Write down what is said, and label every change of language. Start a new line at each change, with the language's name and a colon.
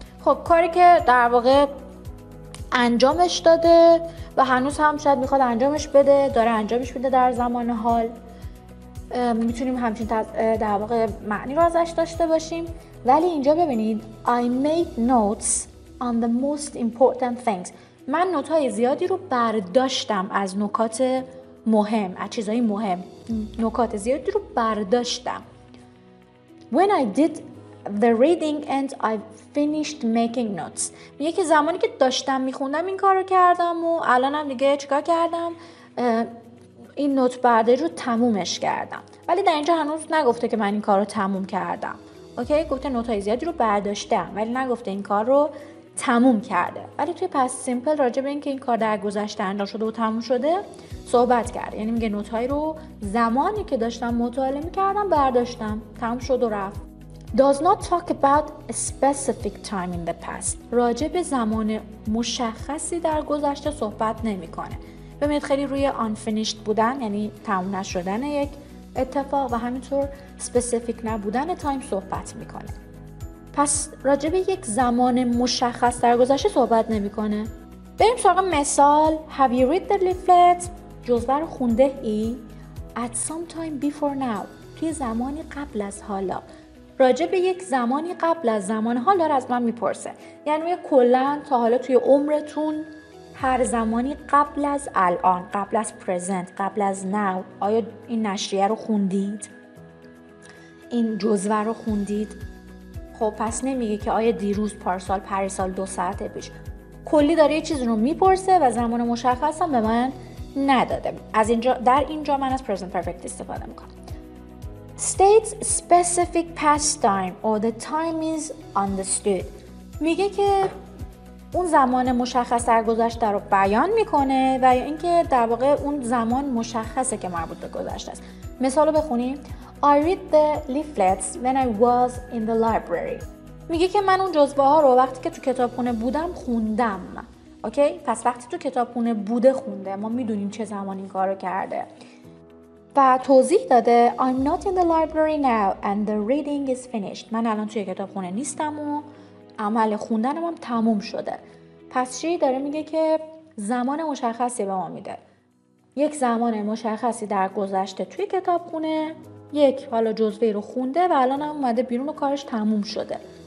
Persian: خب کاری که در واقع انجامش داده و هنوز هم شاید میخواد انجامش بده، داره انجامش میده در زمان حال، میتونیم همچین در واقع معنی رو ازش داشته باشیم. ولی اینجا ببینید،
English: I made notes on the most important things.
Persian: من نوت های زیادی رو برداشتم از نکات مهم، از چیزهای مهم نکات زیادی رو برداشتم.
English: When I did the reading and I finished making notes.
Persian: میگه که زمانی که داشتم میخوندم این کار رو کردم و الانم دیگه چیکار کردم، این نوت برداری رو تمومش کردم. ولی در اینجا هنوز نگفته که من این کار رو تموم کردم. اوکی، گفته نوت های زیادی رو برداشتم ولی نگفته این کار رو تموم کرده. ولی توی پس سیمپل راجع به اینکه این کار در گذشته انجام شده و تموم شده صحبت کرد. یعنی میگه نوت های رو زمانی که داشتم مطالعه میکردم برداشتم، تموم شد و رفت.
English: Does not talk about a specific time in the past.
Persian: راجع به زمان مشخصی در گذشته صحبت نمیکنه. ببینید خیلی روی unfinished بودن، یعنی تموم نشدن یک اتفاق، و همینطور specific نبودن time صحبت میکنه. پس راجع به یک زمان مشخص در گذشته صحبت نمیکنه. بریم سراغ مثال.
English: Have you read the leaflet؟
Persian: جزوه رو خونده ای؟
English: At some time before now.
Persian: توی زمانی قبل از حالا. راجع به یک زمانی قبل از زمان حال داره از من میپرسه. یعنی کلن تا حالا توی عمرتون هر زمانی قبل از الان، قبل از present، قبل از now، آیا این نشریه رو خوندید؟ این جزوه رو خوندید؟ خب پس نمیگه که آیا دیروز، پارسال، پریسال، 2 ساعت پیش. کلی داره یه چیز رو میپرسه و زمان مشخص هم به من نداده. از اینجا در اینجا من از present perfect استفاده میکنم.
English: States specific past time or the time is understood.
Persian: میگه که اون زمان مشخص در گذشته رو بیان میکنه و یا اینکه در واقع اون زمان مشخصه که مربوط به گذشته است. مثالو بخونیم.
English: I read the leaflets when I was in the library.
Persian: میگه که من اون جزوه ها رو وقتی که تو کتابخونه بودم خوندم. اوکی؟ پس وقتی تو کتابخونه بوده خونده. ما میدونیم چه زمان این کارو کرده. و توضیح داده
English: I'm not in the library now and the reading is finished.
Persian: من الان توی کتابخونه نیستم و عمل خوندنم هم تموم شده. پس چی داره میگه؟ که زمان مشخصی به ما میده. یک زمان مشخصی در گذشته توی کتابخونه یک حالا جزوه رو خونده و الان هم اومده بیرون و کارش تموم شده.